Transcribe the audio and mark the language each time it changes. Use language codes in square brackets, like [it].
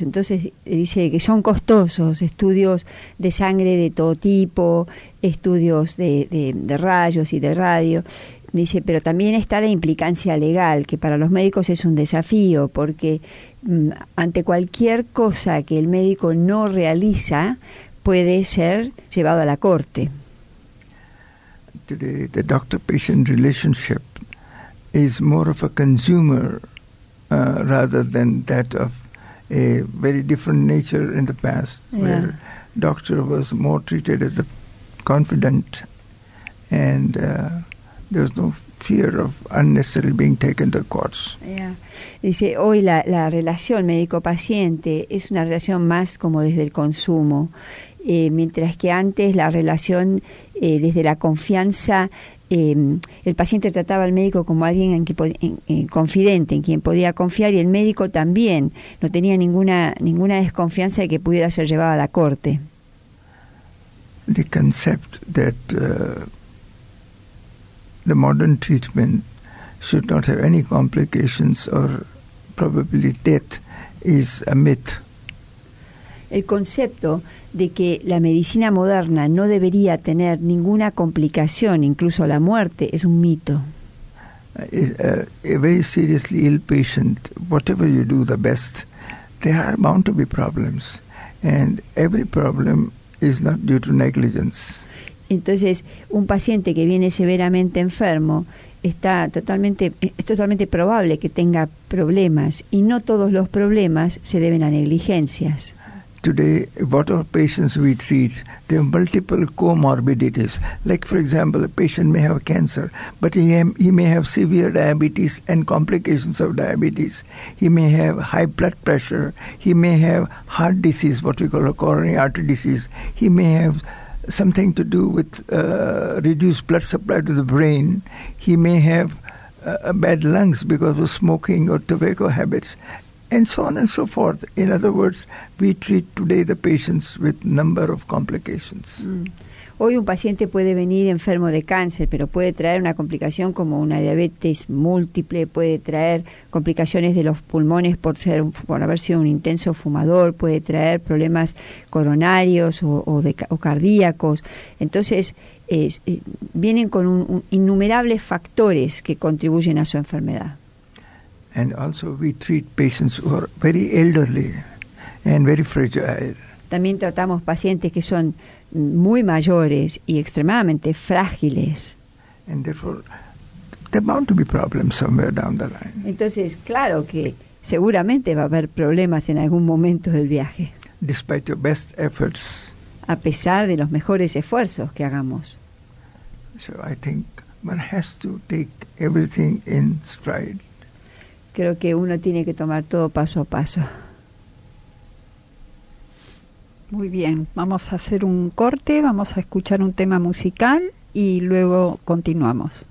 [es] Entonces, dice que son costosos, estudios de sangre de todo tipo, estudios de rayos y de radio. Dice, pero también está la implicancia legal, que para los médicos es un desafío, porque ante cualquier cosa que el médico no realiza, puede ser llevado a la corte. [en] Today, the doctor-patient relationship is more of a consumer rather than that of a very different nature in the past, yeah. Where doctor was more treated as a confidant and there was no fear of unnecessarily being taken to courts. Yeah. [es] Dice, hoy la relación médico-paciente es una relación más como desde el consumo. Mientras que antes la relación desde la confianza, el paciente trataba al médico como alguien confidente, en quien podía confiar, y el médico también no tenía ninguna desconfianza de que pudiera ser llevado a la corte. [en] The concept that the modern treatment should not have any complications or probably death is a myth. [es] El concepto de que la medicina moderna no debería tener ninguna complicación, incluso la muerte, es un mito. [en] A very seriously ill patient, whatever you do the best, there are bound to be problems. And every problem is not due to negligence. [es] Entonces, un paciente que viene severamente enfermo es totalmente probable que tenga problemas, y no todos los problemas se deben a negligencias. [en] Today, whatever patients we treat, they have multiple comorbidities. Like, for example, a patient may have cancer, but he may have severe diabetes and complications of diabetes. He may have high blood pressure. He may have heart disease, what we call a coronary artery disease. He may have something to do with reduced blood supply to the brain. He may have bad lungs because of smoking or tobacco habits. And so on and so forth. In other words, we treat today the patients with number of complications. Mm. [es] Hoy un paciente puede venir enfermo de cáncer, pero puede traer una complicación como una diabetes múltiple, puede traer complicaciones de los pulmones por haber sido un intenso fumador, puede traer problemas coronarios o cardíacos. Entonces, vienen con innumerables factores que contribuyen a su enfermedad. [en] And also we treat patients who are very elderly and very fragile. [es] También tratamos pacientes que son muy mayores y extremadamente frágiles. [en] And therefore, there bound to be problems somewhere down the line. [es] Entonces, claro que seguramente va a haber problemas en algún momento del viaje. [en] Despite your best efforts. [es] A pesar de los mejores esfuerzos que hagamos. [en] So I think one has to take everything in stride. [es] Creo que uno tiene que tomar todo paso a paso. Muy bien, vamos a hacer un corte, vamos a escuchar un tema musical y luego continuamos.